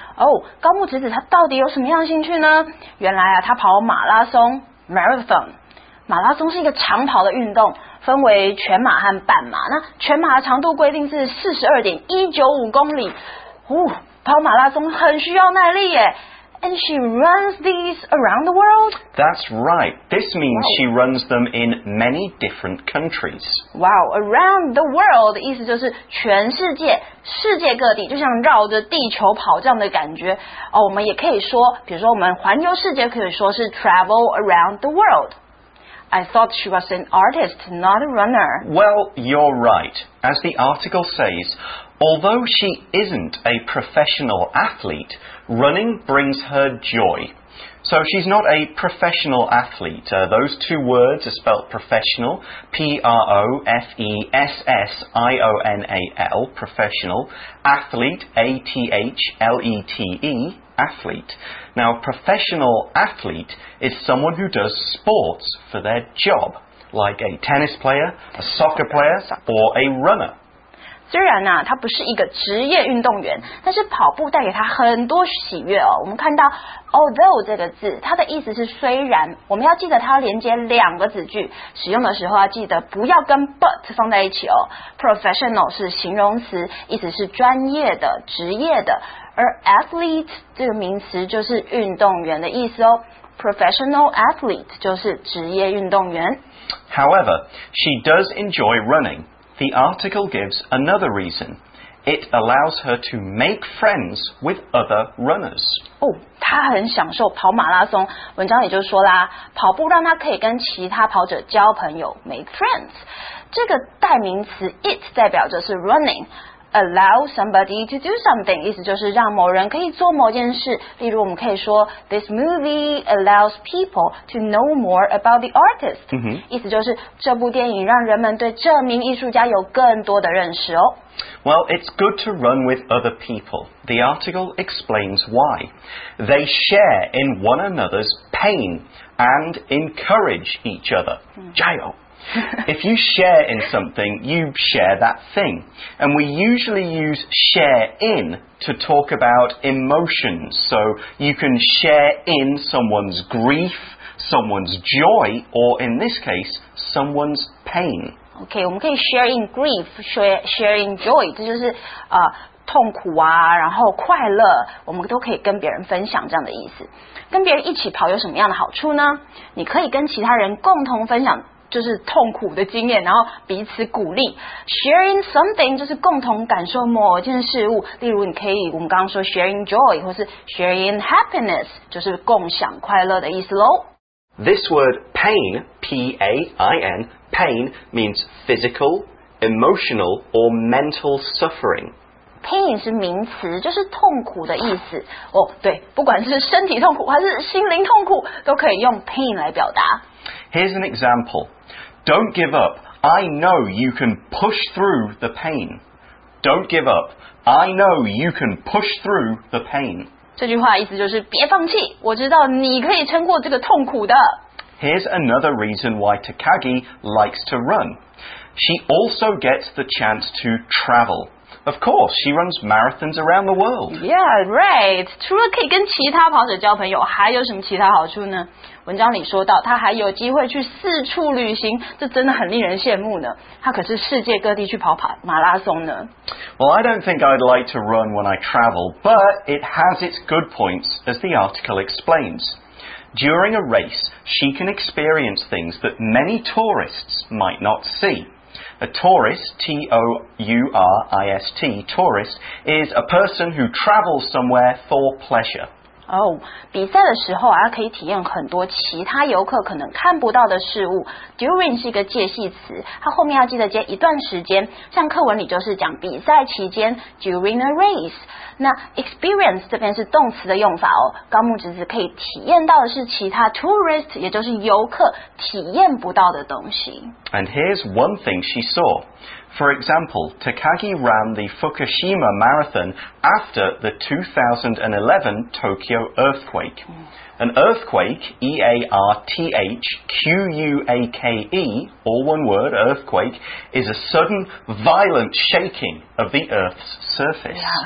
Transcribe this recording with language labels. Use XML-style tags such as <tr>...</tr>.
<zh>Oh, 高木直子他到底有什么样的兴趣呢？原来啊，他跑马拉松 marathon。马拉松是一个长跑的运动，分为全马和半马。那全马的长度规定是 42.195 公里。哦，跑马拉松很需要耐力耶。</zh> <en>And she runs these around the world? That's right. This means she runs them in many different countries.</en> <zh>Wow,</zh> <en>around the world</en> <zh>意思就是全世界，世界各地，就像绕着地球跑这样的感觉。哦，我们也可以说，比如说我们环游世界可以说是</zh> <en>travel around the world. I thought she was an artist, not a runner. Well, you're right. As the article says, although she isn't a professional athlete, running brings her joy. So she's not a professional athlete. Those two words are spelled professional, P-R-O-F-E-S-S-I-O-N-A-L, professional, athlete, A-T-H-L-E-T-E. Athlete. Now, a professional athlete is someone who does sports for their job, like a tennis player, a soccer player, or a runner.</en> <zh>虽然啊，他不是一个职业运动员，但是跑步带给他很多喜悦哦。我们看到 although 这个字，它的意思是虽然。我们要记得它连接两个子句，使用的时候要记得不要跟 but 放在一起哦。 Professional 是形容词，意思是专业的、职业的。而 athlete 这个名词就是运动员的意思哦</zh> <en>professional athlete</en> <zh>就是职业运动员</zh> <en>However, she does enjoy running. The article gives another reason. It allows her to make friends with other runners.</en> <zh>哦，她很享受跑马拉松。文章也就说啦，跑步让她可以跟其他跑者交朋友</zh> <en>make friends.</en> <zh>这个代名词 it 代表着是 running.</zh> <en>Allow somebody to do something</en> <zh>意思就是让某人可以做某件事例如我们可以说</zh> <en>This movie allows people to know more about the artist、 mm-hmm.</en> <zh>意思就是这部电影让人们对这名艺术家有更多的认识哦</zh> <en>Well, it's good to run with other people The article explains why They share in one another's pain and encourage each other</en> <zh>加油</zh> <en>If you share in something, you share that thing. And we usually use share in to talk about emotions. So you can share in someone's grief, someone's joy, or in this case, someone's pain. Okay,</en> <zh>我们可以</zh> <en>share in grief, share in joy.</en> <zh>这就是、痛苦啊，然后快乐，我们都可以跟别人分享这样的意思。跟别人一起跑有什么样的好处呢？你可以跟其他人共同分享就是痛苦的经验，然后彼此鼓励。</zh> <en>Sharing something</en> <zh>就是共同感受某件事物，例如你可以我们刚刚说</zh> <en>sharing joy</en> <zh>或是</zh> <en>sharing happiness</en> <zh>就是共享快乐的意思咯。</zh> <en>This word pain, P-A-I-N, pain means physical, emotional or mental suffering.</en> <zh>Pain 是名词，就是痛苦的意思。哦，对，不管是身体痛苦还是心灵痛苦，都可以用 pain 来表达。</zh> <en>Here's an example. Don't give up. I know you can push through the pain. Don't give up. I know you can push through the pain.</en> <zh>这句话意思就是别放弃，我知道你可以撑过这个痛苦的。</zh> <en>Here's another reason why Takagi likes to run. She also gets the chance to travel. Of course, she runs marathons around the world. Yeah, right.</en> <zh>除了可以跟其他跑者交朋友，还有什么其他好处呢？文章里说到，她还有机会去四处旅行，这真的很令人羡慕呢。她可是世界各地去跑马拉松呢。</zh> <en>Well, I don't think I'd like to run when I travel, but it has its good points, as the article explains. During a race, she can experience things that many tourists might not see. A tourist, T-O-U-R-I-S-T, tourist, is a person who travels somewhere for pleasure.</en> <zh>Oh, 比赛的时候啊，可以体验很多其他游客可能看不到的事物。 During 是一个介系词，它后面要记得接一段时间。像课文里就是讲比赛期间 ,</zh> <en>during a race.</en> <zh>那 experience 这边是动词的用法哦。高木直子可以体验到的是其他 tourist, 也就是游客体验不到的东西。</zh> <en>And here's one thing she saw. For example, Takagi ran the Fukushima Marathon after the 2011 Tokyo earthquake. An earthquake, E-A-R-T-H-Q-U-A-K-E, all one word, earthquake, is a sudden violent shaking of the earth's surface.</en>